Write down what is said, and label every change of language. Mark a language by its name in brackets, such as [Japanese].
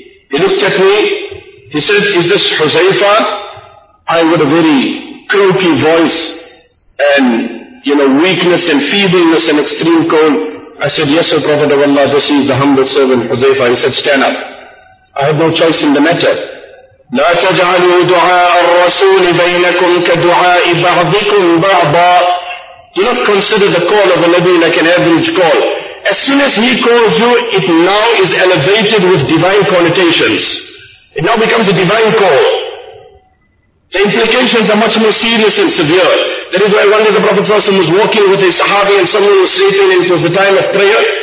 [English] He looked at me, he said, is this Huzaifa? I with a very croaky voice, and you know, weakness and feebleness and extreme cold. I said, yes, O Prophet of Allah, this is the humble servant, Huzaifa. He said, stand up. I have no choice in the matter. [Arabic] لا تجعلوا دعاء الرسول بينكم كدعاء بعضكم بعضا. [English] Do not consider the call of a Nabi like an average call. As soon as he calls you, it now is elevated with divine connotations. It now becomes a divine call. The implications are much more serious and severe. That is why one day the Prophet ﷺ was walking with a Sahabi and someone was sleeping and it was the time of prayer.